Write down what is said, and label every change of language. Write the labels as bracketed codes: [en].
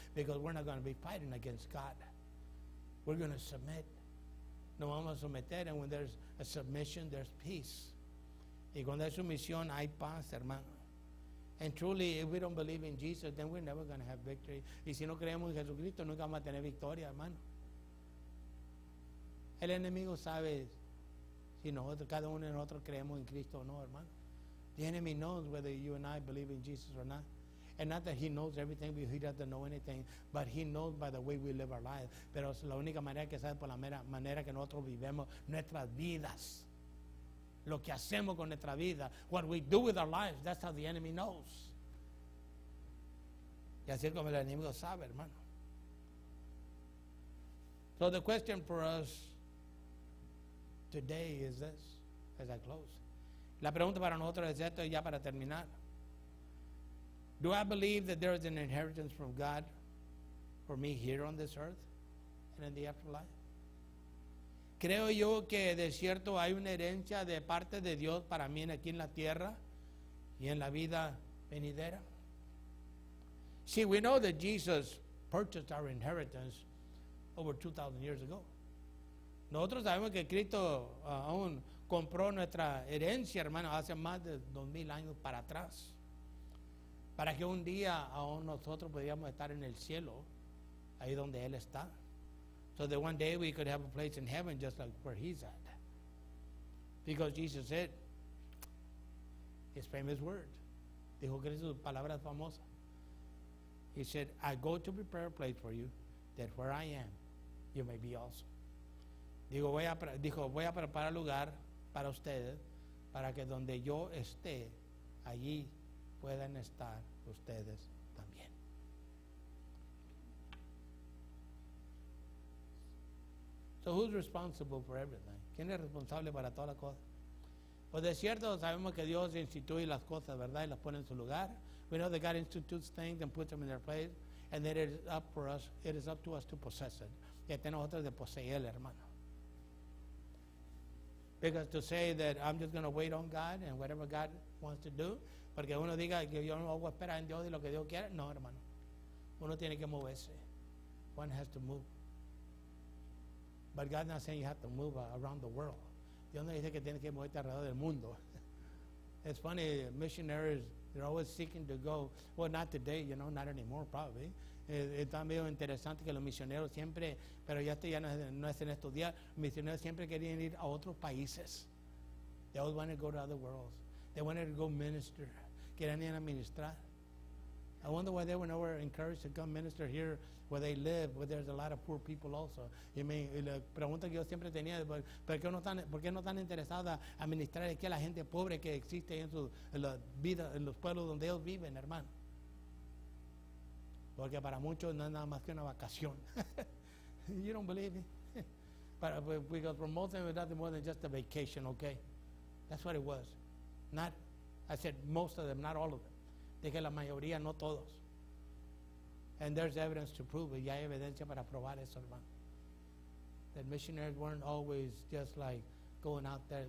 [en] Because we're not going to be fighting against God. We're going to submit. [es] Nos vamos a someter. [en] And when there's a submission, there's peace. [es] Y cuando hay sumisión, hay paz, hermano. [en] And truly, if we don't believe in Jesus, then we're never going to have victory. [es] Y si no creemos en Jesucristo, nunca vamos a tener victoria, hermano. El enemigo sabe si nosotros, cada uno de nosotros, creemos en Cristo o no, hermano. [en] The enemy knows whether you and I believe in Jesus or not. And not that he knows everything, but he doesn't know anything, but he knows by the way we live our lives. [es] Pero es la única manera que sabe, por la mera manera que nosotros vivemos nuestras vidas, lo que hacemos con nuestra vida, [en] what we do with our lives, that's how the enemy knows. [es] Y así es como el enemigo sabe, hermano. [en] So the question for us today is this, as I close. [es] La pregunta para nosotros es esto, ya para terminar. [en] Do I believe that there is an inheritance from God for me here on this earth and in the afterlife? [es] Creo yo que de cierto hay una herencia de parte de Dios para mí aquí en la tierra y en la vida venidera. [en] See, we know that Jesus purchased our inheritance over 2,000 years ago. [es] Nosotros sabemos que Cristo aún compró nuestra herencia, hermano, hace más de 2,000 años para atrás, para que un día aún nosotros podíamos estar en el cielo, ahí donde Él está. [en] So that one day we could have a place in heaven just like where he's at. Because Jesus said his famous word. [es] Dijo Cristo sus palabras famosas. [en] He said, I go to prepare a place for you that where I am, you may be also. [es] Dijo, voy a preparar lugar para ustedes para que donde yo esté, allí puedan estar ustedes. [en] So who's responsible for everything? [es] ¿Quién es responsable para todas las cosas? Pues de cierto sabemos que Dios instituye las cosas, ¿verdad? Y las pone en su lugar. [en] We know that God institutes things and puts them in their place, and that it is up for us, it is up to us to possess it. [es] Y está en nosotros de poseer, hermano. [en] Because to say that I'm just going to wait on God and whatever God wants to do, [es] porque uno diga que yo no voy a esperar en Dios y lo que Dios quiera, no, hermano. Uno tiene que moverse. [en] One has to move. But God's not saying you have to move around the world. [es] Dios no dice que tienes que moverte alrededor del mundo. [en] It's funny, missionaries, they're always seeking to go. Well, not today, you know, not anymore, probably. [es] Es también interesante que los misioneros siempre, pero ya esto ya no es en estos días, misioneros siempre querían ir a otros países. [en] They always wanted to go to other worlds. They wanted to go minister. [es] Querían ir a ministrar. [en] I wonder why they were never encouraged to come minister here where they live, where there's a lot of poor people also. [es] Y me pregunta que yo siempre tenía, ¿por qué no están interesadas a ministrar aquí a la gente pobre que existe en su vida, en los pueblos donde ellos viven, hermano? Porque para muchos no es nada más que una vacación. [en] You don't believe me? Because for most of them, it's nothing more than just a vacation, okay? That's what it was. Not, I said most of them, not all of them. [es] Dije la mayoría, no todos. [en] And there's evidence to prove it. [es] Ya hay evidencia para probar eso, hermano. [en] That missionaries weren't always just like going out there.